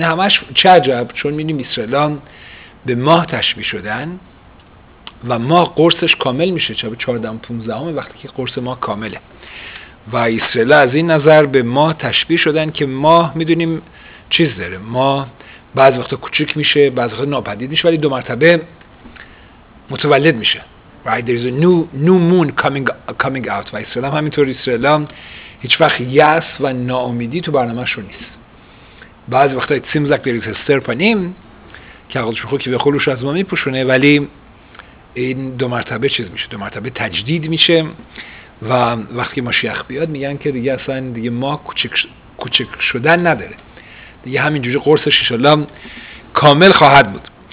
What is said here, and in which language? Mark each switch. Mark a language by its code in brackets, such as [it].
[fa] این همش چه عجب، چون میدیم اسرائیلان به ماه تشبیه شدن و ماه قرصش کامل میشه چه به 14 و 15 وقتی که قرص ماه کامله. و اسرائیل از این نظر به ماه تشبیه شدن که ماه میدونیم چیز داره، ماه بعض وقتا کوچک میشه، بعض وقتا ناپدید میشه، ولی دو مرتبه متولد میشه. [en] Right, there is a new moon coming out. [fa] و اسرائیل هم همینطور، اسرائیل هم هیچ وقت یأس و ناامیدی تو برنامه‌شون نیست. بعض وقتا [en] it seems like there is a serpanim [fa] که اقلش بخواه که به خلوش از ما میپوشونه، ولی این دو مرتبه چیز میشه، دو مرتبه تجدید میشه و وقتی مشیخ بیاد میگن که دیگه اصلا دیگه ما کوچک شدن نداره، دیگه همینجوری قرصش انشاءالله کامل خواهد بود.